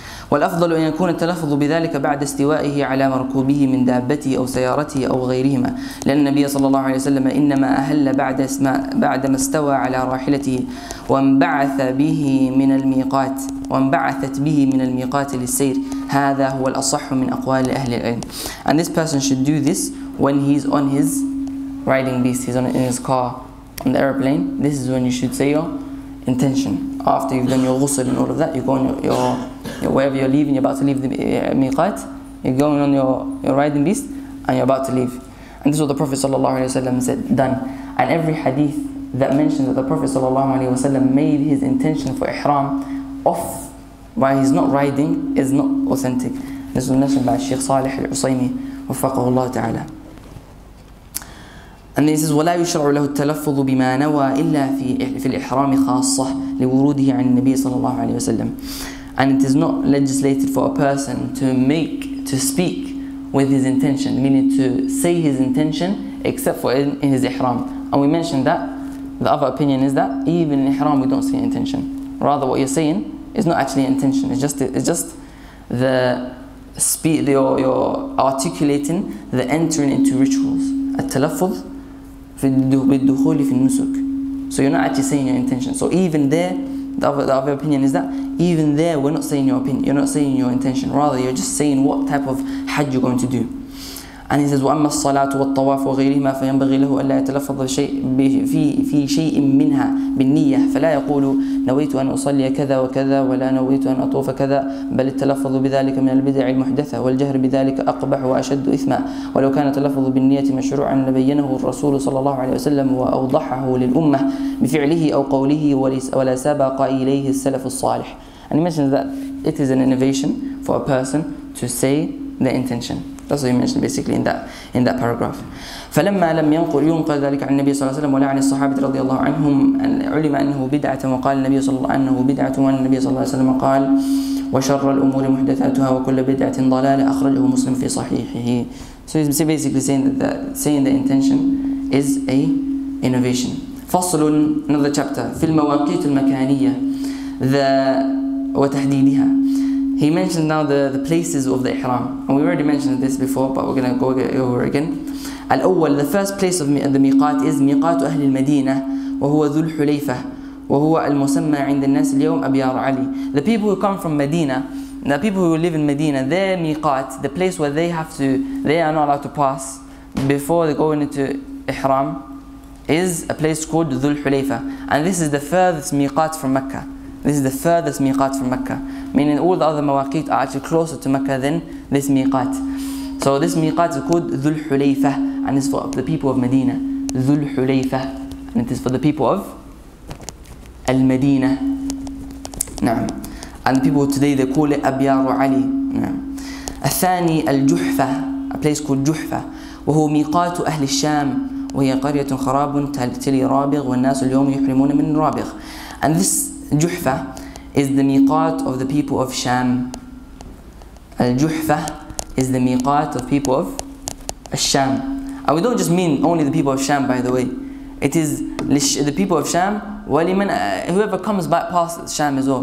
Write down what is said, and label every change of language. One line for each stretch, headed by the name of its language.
Arabic: والأفضل أن يكون التلفظ بذلك بعد استوائه على مركوبه من دابته أو سيارته أو غيرهما. لأن النبي صلى الله عليه وسلم إنما أهل بعدما استوى على راحلته وانبعث به من الميقات. وانبعثت به من الميقات للسير هذا هو الأصح من أقوال أهل العلم.
English: And this person should do this when he's on his riding beast, he's on in his car, on the airplane. This is when you should say your intention. After you've done your ghusl and all of that, you go on your wherever you're leaving, you're about to leave the miqat, you're going on your riding beast and you're about to leave. And this is what the Prophet صلى الله عليه وسلم said, done. And every hadith that mentions that the Prophet صلى الله عليه وسلم made his intention for ihram off while he's not riding is not authentic. This was mentioned by Sheikh Salih Al-Usaymi
Arabic: وفقه الله تعالى.
English: And he says,
Arabic: وَلَا يُشْرَعُ لَهُ التَّلَفُّظُ بِمَا نَوَى إِلَّا فِي الْإِحْرَامِ خَاصَّةِ لِوُرُودِهِ عَنِ النَّبِيِّ صَلَى اللَّهُ عَلَيْهِ وَسَلَّمِ.
English: And it is not legislated for a person to speak with his intention, meaning to say his intention except for in his ihram. And we mentioned that the other opinion is that even in ihram we don't say intention. Rather, what you're saying is not actually intention. It's just the speed. You're articulating the entering into rituals.
Arabic: التلفظ بالدخول في النسك.
English: So you're not actually saying your intention. So even there, the other opinion is that even there, we're not saying your opinion. You're not saying your intention. Rather, you're just saying what type of hajj you're going to do. And he says,
Arabic: وأما الصلاة والطواف وغيرهما فينبغي له ألا يتلفظ شيء في شيء منها بالنية فلا يقول نويت أن أصلي كذا وكذا ولا نويت أن أطوف كذا بل التلفظ بذلك من البدع المحدثة والجهر بذلك أقبح وأشد إثما ولو كان التلفظ بالنية مشروعا لبينه الرسول صلى الله عليه وسلم وأوضحه للأمة بفعله أو قوله ولا سبق إليه السلف الصالح.
English: And he mentions that it is an innovation for a person to say the intention. That's what he mentioned basically in that paragraph.
Arabic: فلما لم ينقل ينقل ذلك عن النبي صلى الله عليه وسلم ولا عن الصحابة رضي الله عنهم علم أنه بدعة وقال النبي صلى الله عليه وسلم أنه بدعة وأن النبي صلى الله عليه وسلم قال وشر الأمور محدثاتها وكل بدعة ضلالة أخرجه مسلم في صحيحه.
English: So he's basically saying that saying the intention is a innovation.
Arabic: فصل
English: another chapter
Arabic: في المواقيت المكانية وتحديدها.
English: He mentioned now the places of the ihram, and we already mentioned this before, but we're gonna go over again.
Arabic: الأول,
English: the first place of the miqat is miqat
Arabic: أهل المدينة وهو ذو الحليفة وهو المسمى عند الناس اليوم أبيار علي.
English: The people who come from Medina, the people who live in Medina, their miqat, the place where they are not allowed to pass before they go into ihram, is a place called ذو الحليفة, and this is the furthest miqat from Mecca. This is the furthest miqat from Mecca, meaning all the other miqat are actually closer to Mecca than this miqat. So this miqat is called Dhul Hulayfah, and it's for the people of Medina. Dhul Hulayfah, and it is for the people of Al-Madinah.
Arabic: نعم.
English: And the people today, they call it Abyaru Ali.
Arabic: نعم. الثاني الجحفة,
English: a place called Juhfa,
Arabic: وهو ميقات أهل الشام, وهي قرية خراب تلي رابغ, والناس اليوم يحرمون من رابغ.
English: And this Juhfa is the miqat of the people of Sham. Al-Juhfa is the miqat of people of Sham. And we don't just mean only the people of Sham, by the way. It is the people of Sham, whoever comes back past Sham as well.